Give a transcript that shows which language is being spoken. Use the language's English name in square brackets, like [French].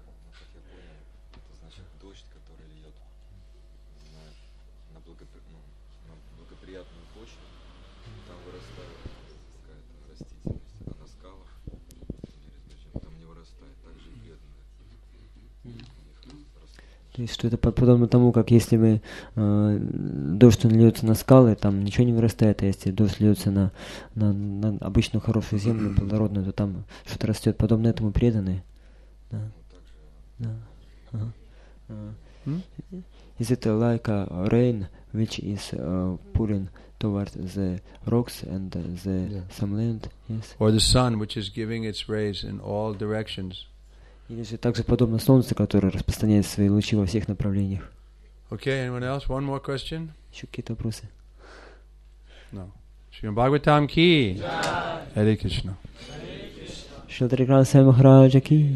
[Russian] Это значит дождь, который льет на благоприятную почву, там вырастает какая-то растительность, а на скалах, там не вырастает, так же и бедная. То есть, что это подобно тому, как если бы дождь льется на скалы, там ничего не вырастает, а если дождь льется на обычную хорошую землю, плодородную, то там что-то растет. Подобно этому преданные. Да. Да. [English] Is it like a rain which is pouring towards the rocks and the yeah. some land? Yes. Or the sun which is giving its rays in all directions. [Russian] Или же также подобно солнцу, которое распространяет свои лучи во всех направлениях. [English] Okay, anyone else? One more question? [Russian] Еще какие-то вопросы? [English] No. [Russian] Шримад Бхагаватам ки. Джай. Харе Кришна. Шри Крам Сай Махараджа ки.